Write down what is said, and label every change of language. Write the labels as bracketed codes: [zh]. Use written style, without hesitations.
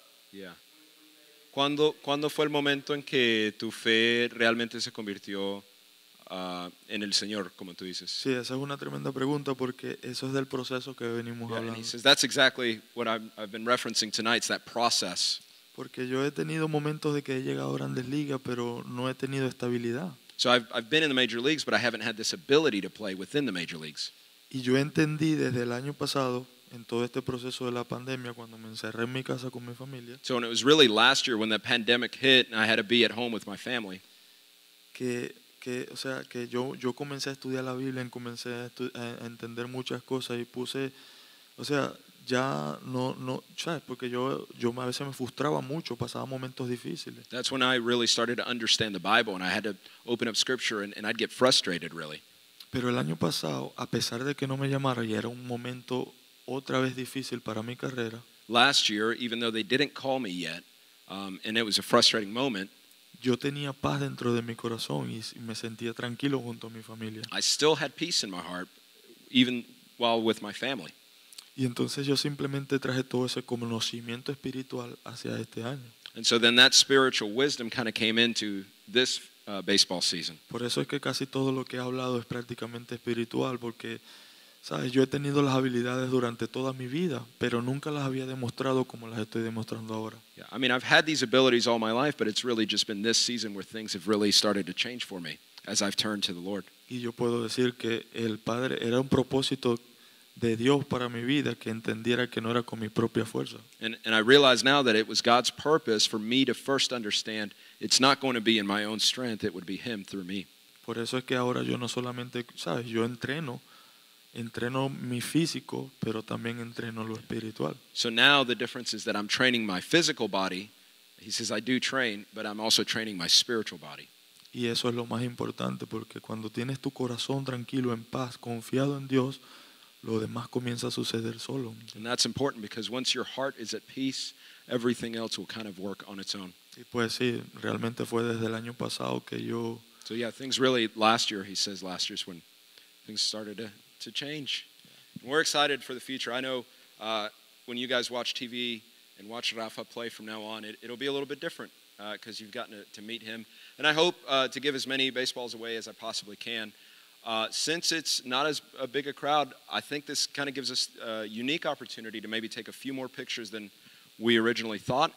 [en] Yeah. [es] ¿Cuándo fue el momento en que tu fe realmente se convirtió en el Señor, como tú dices? Sí, esa es una tremenda pregunta porque eso es del proceso que venimos hablando. [en] And he says, that's exactly what I've been referencing tonight, it's that process. [es] Porque yo he tenido momentos de que he llegado a grandes ligas, pero no he tenido estabilidad. [en] So I've been in the major leagues, but I haven't had this ability to play within the major leagues. [es] Y yo entendí desde el año pasado, en todo este proceso de la pandemia, cuando me encerré en mi casa con mi familia. [en] So when it was really last year when the pandemic hit and I had to be at home with my family. [es] Que yo comencé a estudiar la Biblia, comencé a entender muchas cosas y puse, o sea, ya no sabes, porque yo a veces me frustraba mucho, pasaba momentos difíciles. [en] That's when I really started to understand the Bible and I had to open up scripture and I'd get frustrated really. [es] Pero el año pasado, a pesar de que no me llamaron y era un momento otra vez difícil para mi carrera. [en] Last year, even though they didn't call me yet, and it was a frustrating moment, [es] yo tenía paz dentro de mi corazón y me sentía tranquilo junto a mi familia. [en] I still had peace in my heart even while with my family. [es] Y entonces yo simplemente traje todo ese conocimiento espiritual hacia este año. [en] And so then that spiritual wisdom kind of came into this baseball season. [es] Por eso es que casi todo lo que he hablado es prácticamente espiritual, porque sabes, yo he tenido las habilidades durante toda mi vida, pero nunca las había demostrado como las estoy demostrando ahora. [en] Yeah, I mean, I've had these abilities all my life, but it's really just been this season where things have really started to change for me as I've turned to the Lord. [es] Y yo puedo decir que el Padre era un propósito de Dios para mi vida, que entendiera que no era con mi propia fuerza. [en] And I realize now that it was God's purpose for me to first understand it's not going to be in my own strength, it would be Him through me. [es] Por eso es que ahora yo no solamente, sabes, yo entreno. Entreno mi físico, pero también entreno lo espiritual. [en] So now the difference is that I'm training my physical body. He says I do train, but I'm also training my spiritual body. [es] Y eso es lo más importante, porque cuando tienes tu corazón tranquilo, en paz, confiado en Dios, lo demás comienza a suceder solo. [en] And that's important because once your heart is at peace, everything else will kind of work on its own. [es] Y pues sí, realmente fue desde el año pasado que yo... [en] So yeah, things really, last year, he says last year's when things started to change. And we're excited for the future. I know when you guys watch TV and watch Rafa play from now on, it'll be a little bit different because you've gotten to meet him. And I hope to give as many baseballs away as I possibly can. Since it's not as a big a crowd, I think this kind of gives us a unique opportunity to maybe take a few more pictures than we originally thought.